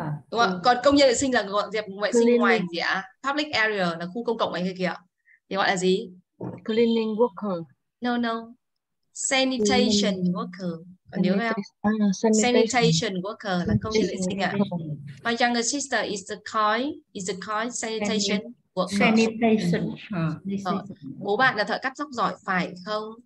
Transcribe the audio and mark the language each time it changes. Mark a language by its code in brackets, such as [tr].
[vi] Đúng không? Còn công nhân vệ sinh là dọn dẹp vệ sinh ngoài gì ạ? [en] Public area [vi] là khu công cộng ấy kìa. Thì gọi là gì? [en] Cleaning worker. No. Sanitation worker. [vi] Còn nhớ không? [en] Sanitation worker [vi] là công nhân vệ sinh ạ. [en] My younger sister is the kind sanitation worker. Sanitation. [vi] Bố bạn là thợ cắt tóc giỏi phải không?